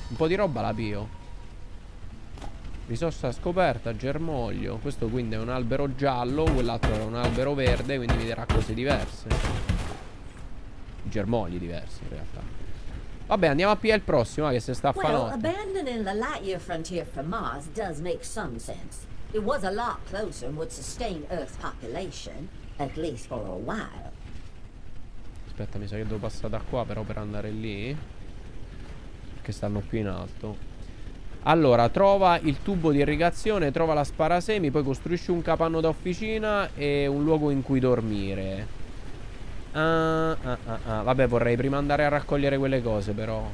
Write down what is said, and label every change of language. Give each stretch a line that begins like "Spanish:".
Italian: Un po' di roba la pio. Risorsa scoperta, germoglio. Questo quindi è un albero giallo, quell'altro era un albero verde, quindi mi darà cose diverse. Germogli diversi in realtà. Vabbè, andiamo a pigliare il prossimo, che se sta a fanotte.
English: Well, abandoning the light year frontier for Mars does make some sense. It was a lot closer and would sustain Earth's population, at least for a while.
Italian: Aspetta, mi sa che devo passare da qua però per andare lì. Perché stanno qui in alto. Allora, trova il tubo di irrigazione, trova la sparasemi, poi costruisci un capanno da officina e un luogo in cui dormire. Vabbè, vorrei prima andare a raccogliere quelle cose, però.